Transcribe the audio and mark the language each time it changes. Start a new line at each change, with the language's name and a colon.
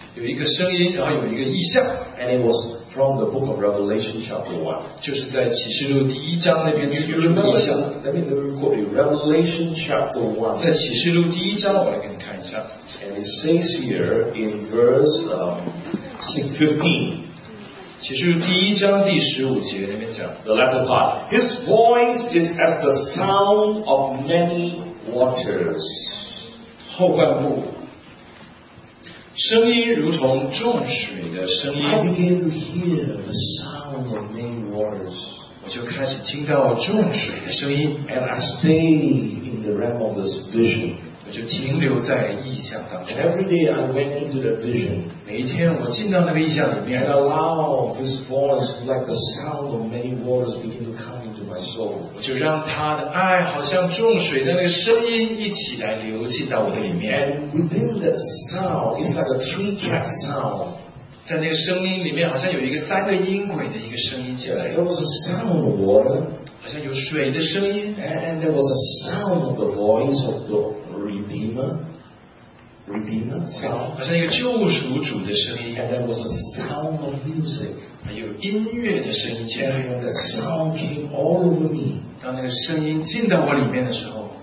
Chinese: 有一个声音, 然后有一个异象,
English: and it was from the book of Revelation chapter 1.
Chinese: 就是在启示录第一章那边,
English: if you remember, let me quote you. Revelation chapter 1.
Chinese: 在启示录第一章, 我来给你看一下,
English: and it says here in verse 15.
Chinese: 其实第一章第十五节里面讲,
English: the latter part. His voice is as the sound of many waters.
Chinese: 后半部, 声音如同众水的声音,
English: I began to hear the sound of many waters.
Chinese: 我就开始听到众水的声音,
English: and I stayed in the realm of this vision.
Chinese: 我就停留在异象当中,
English: every day I went into the vision.
Chinese: 每一天我进到那个异象里面,
English: and allow his voice like the sound of many waters begin to come into my soul.
Chinese: 我就让他的爱好像重水的那个声音一起来流进到我的里面.
English: And within that sound, it's like a three-track sound.
Chinese: 在那个声音里面好像有一个三个音轨的一个声音进来.
English: There was a sound of water.
Chinese: 好像有水的声音.
English: And there was a sound of the voice of the Redeemer. Redeemer sound.
Chinese: 好像一个救赎主的声音.
English: And there was a sound of music.
Chinese: 还有音乐的声音.
English: And when the sound came all over me,
Chinese: 当那个声音进到我里面的时候,